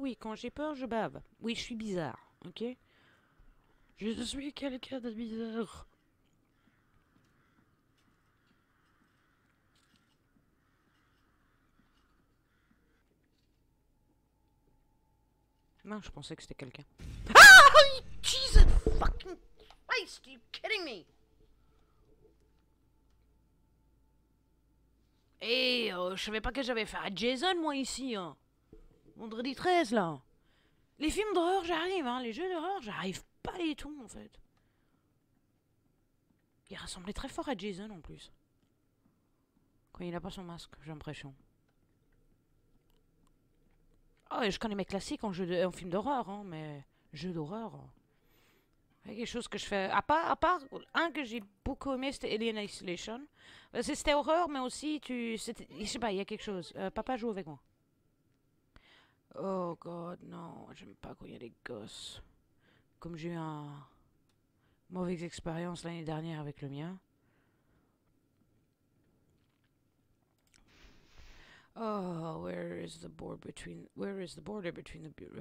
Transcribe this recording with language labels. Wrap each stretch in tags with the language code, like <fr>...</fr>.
<fr>Oui, quand j'ai peur, je bave. Oui, je suis bizarre. Ok? Je suis quelqu'un de bizarre. Non, je pensais que c'était quelqu'un.</fr> <en>Jesus fucking Christ, are you kidding me?</en> <fr>Et je savais pas que j'avais affaire à Jason, moi, ici, hein. Vendredi 13, là. Les films d'horreur, j'arrive, hein. Les jeux d'horreur, j'arrive pas du tout, en fait. Il ressemblait très fort à Jason, en plus. Quand il a pas son masque, j'ai l'impression. Oh, et je connais mes classiques en film d'horreur, hein, mais jeu d'horreur. Il y a quelque chose que je fais. À part un que j'ai beaucoup aimé, c'était Alien Isolation. C'était horreur, mais aussi, tu. Je sais pas, il y a quelque chose. Papa joue avec moi. Oh god, non, j'aime pas quand il y a des gosses. Comme j'ai eu un mauvaise expérience l'année dernière avec le mien.</fr> <en>Oh, where is the board between. Where is the border between the.</en>